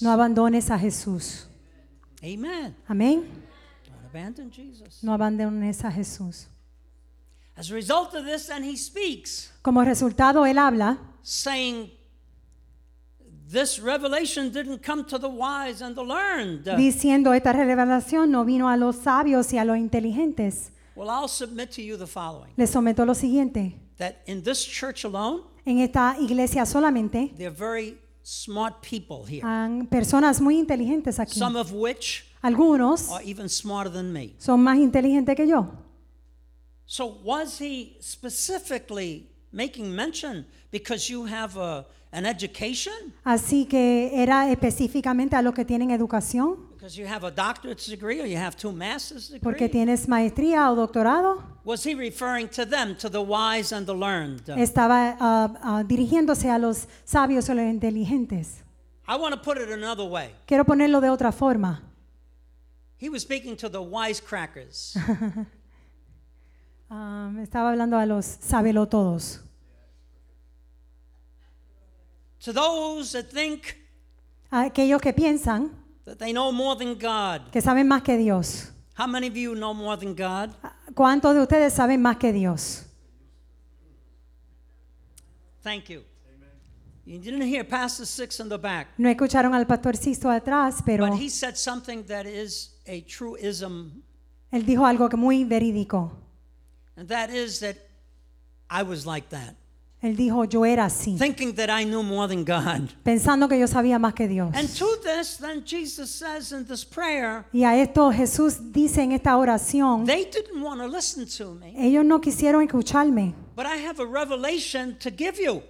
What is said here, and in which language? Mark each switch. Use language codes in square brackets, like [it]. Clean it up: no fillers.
[es] No abandones a Jesús. [en] Amen. [es] Amén. [en] Don't abandon Jesus. [es] No abandones a Jesús. [en] As a result of this, and he speaks. [es] Como resultado, él habla. [en] Saying, this revelation didn't come to the wise and the learned. [es] Diciendo esta revelación no vino a los sabios y a los inteligentes. [en] Well, I'll submit to you the following. [es] Les someto lo siguiente. [en] That in this church alone, [es] en esta iglesia solamente, [en] there are very smart people here. [es] Hay personas muy inteligentes aquí. [en] Some of which, [es] algunos, [en] are even smarter than me. [es] Son más inteligentes que yo. [en] So was he specifically making mention because you have an education? [es] Así que era específicamente a los que tienen educación. [en] Because you have a doctorate degree or you have two master's degrees. [es] Porque tienes maestría o doctorado. [en] Was he referring to them, to the wise and the learned? [es] Estaba dirigiéndose a los sabios o los inteligentes. [en] I want to put it another way. [es] Quiero ponerlo de otra forma. [en] He was speaking to the wisecrackers. [es] Estaba hablando a los sabelotodos. [en] To those that think, [es] aquellos que piensan, [en] that they know more than God, [es] que saben más que Dios. [en] How many of you know more than God? [es] ¿Cuántos de ustedes saben más que Dios? [en] Thank you. You didn't hear Pastor Six in the back. [es] No escucharon al Pastor Sixto atrás, pero. [en] But he said something that is a truism. [es] Él dijo algo que muy verídico. [en] And that is that I was like that. [es] Él dijo, yo era así. [en] Thinking that I knew more than God. [es] Pensando que yo sabía más que Dios. [en] And to this, then Jesus says in this prayer. [es] Y a esto Jesús dice en esta oración. [en] They didn't want to listen to me. [es] Ellos no quisieron escucharme. [en] But I have a revelation to give you.